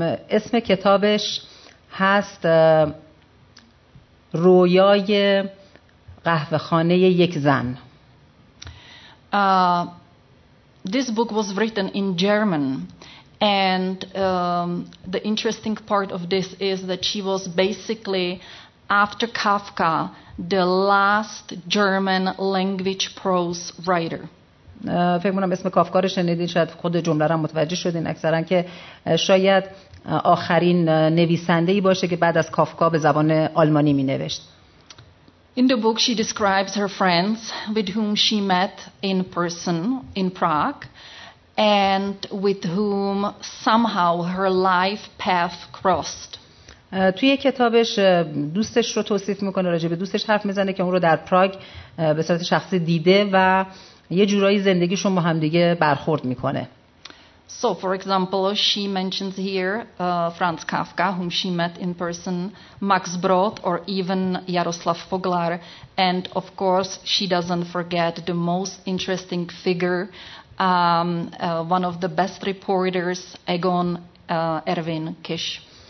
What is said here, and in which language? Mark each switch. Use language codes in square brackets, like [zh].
[fa] اسم کتابش هست رویای قهوه خانه یک زن. [en] This book was written in German. And the interesting part of this is that she was basically, after Kafka, the last German language prose writer. [fa] فکر می‌کنم اسم کافکا رو شنیدین، شاید خود جمله رو متوجه شدین اکثرا که شاید آخرین نویسنده‌ای باشه که بعد از کافکا به زبان آلمانی می‌نوشت. [en] In the book she describes her friends with whom she met in person in Prague and with whom somehow her life path crossed. [fa] توی کتابش دوستش رو توصیف میکنه، راجع به دوستش حرف میزنه که اون رو در پراگ به صورت شخصی دیده و یه جورایی زندگیشون با هم دیگه برخورد میکنه. [en] So for example, she mentions here Franz Kafka, whom she met in person, Max Brod or even Jaroslav Foglar, and of course she doesn't forget the most interesting figure, one of the best reporters, Egon Erwin Kish.